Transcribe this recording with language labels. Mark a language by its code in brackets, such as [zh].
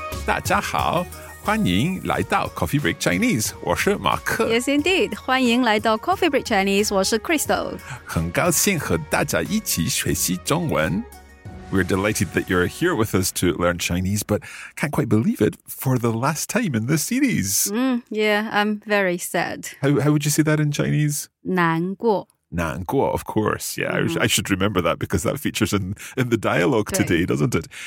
[zh] Coffee Break Chinese, 我是马克. [en] Yes, indeed. [zh] 欢迎来到 Coffee Break Chinese, 我是Crystal. 很高兴和大家一起学习中文. [en] We're delighted that you're here with us to learn Chinese, but can't quite believe it, for the last time in this series. Yeah, I'm very sad. How would you say that in Chinese? [zh] 难过, [en] of course. Yeah, mm-hmm. I should remember that because that features in the dialogue today, doesn't it?